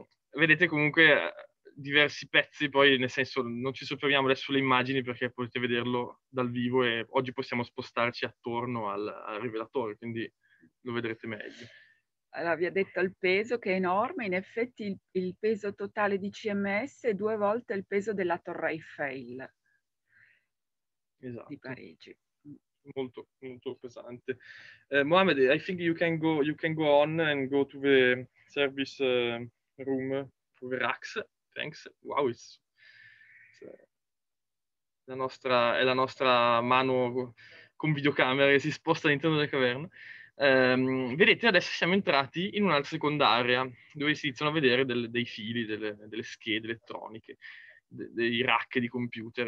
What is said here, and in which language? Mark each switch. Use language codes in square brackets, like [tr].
[it] Vedete comunque diversi pezzi, poi, nel senso, non ci soffermiamo adesso sulle immagini perché potete vederlo dal vivo e oggi possiamo spostarci attorno al rivelatore, quindi lo vedrete meglio. Allora, vi ha detto il peso, che è enorme. In effetti il peso totale di CMS è due volte il peso della Torre Eiffel, esatto, di Parigi. Molto, molto pesante. [en] Mohamed, I think you can go on and go to the service room for the racks. Thanks. [it] Wow, è la nostra mano con videocamera che si sposta all'interno della caverna. Vedete, adesso siamo entrati in una seconda area dove si iniziano a vedere dei fili, delle schede elettroniche, dei rack di computer.